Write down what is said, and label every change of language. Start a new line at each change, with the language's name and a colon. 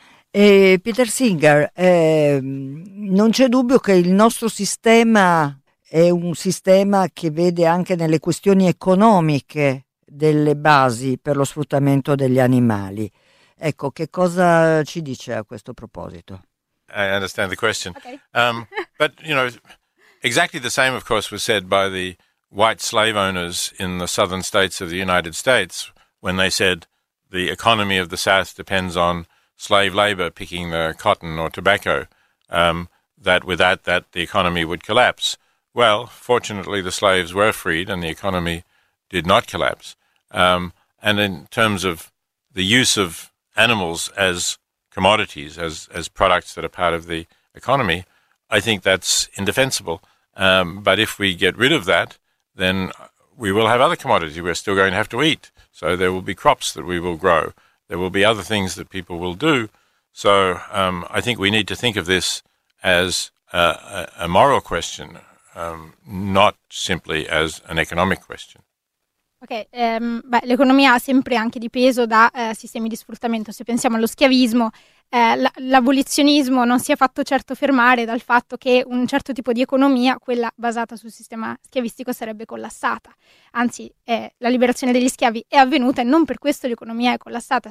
Italian: Peter Singer, non c'è dubbio che il nostro sistema è un sistema che vede anche nelle questioni economiche delle basi per lo sfruttamento degli animali. Ecco, che cosa ci dice a questo proposito?
English: I understand the question. Okay. But, you know, exactly the same, of course, was said by the white slave owners in the southern states of the United States when they said the economy of the South depends on slave labor picking the cotton or tobacco, that without that the economy would collapse. Well, fortunately, the slaves were freed and the economy did not collapse. And in terms of the use of animals as commodities, as products that are part of the economy, I think that's indefensible. But if we get rid of that, then we will have other commodities. We're still going to have to eat. So there will be crops that we will grow. There will be other things that people will do. So I think we need to think of this as a moral question, not simply as an economic question.
Italian: Ok, l'economia ha sempre anche di peso da sistemi di sfruttamento. Se pensiamo allo schiavismo, l'abolizionismo non si è fatto certo fermare dal fatto che un certo tipo di economia, quella basata sul sistema schiavistico, sarebbe collassata. Anzi, la liberazione degli schiavi è avvenuta e non per questo l'economia è collassata.